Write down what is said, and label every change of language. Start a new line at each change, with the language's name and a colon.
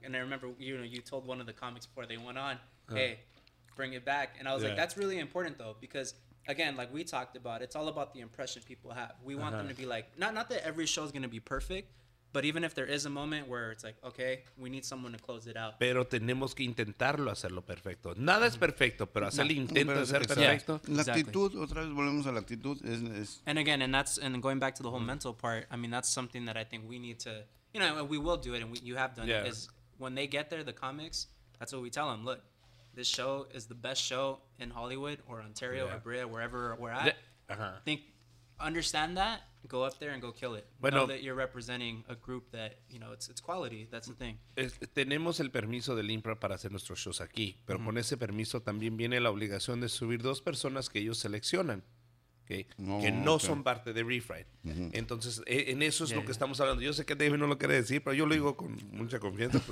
English: And I remember, you know, you told one of the comics before they went on, hey, bring it back. And I was like, that's really important, though, because, again, like we talked about, it's all about the impression people have. We want them to be like, not that every show is going to be perfect, But even if there is a moment where it's like, okay, we need someone to close it out.
Spanish: Pero tenemos que intentarlo hacerlo perfecto. Nada es perfecto, pero hacer el intento de ser perfecto.
English: Yeah, exactly.
Spanish: La actitud, otra vez volvemos a la actitud. Es
English: and again, and that's and going back to the whole mental part, I mean, that's something that I think we need to, you know, and we will do it, and we, you have done it, is when they get there, the comics, that's what we tell them. Look, this show is the best show in Hollywood or Ontario or Brea, wherever we're at. Think, understand that. Go up there and go kill it. Bueno, know that you're representing a group that, you know, it's quality. That's the thing.
Spanish: Tenemos el permiso del IMPRA para hacer nuestros shows aquí, pero con ese permiso también viene la obligación de subir dos personas que ellos seleccionan, que no son parte de ReFright. Entonces, en eso es lo que estamos hablando. Yo sé que David no lo quiere decir, pero yo lo digo con mucha confianza.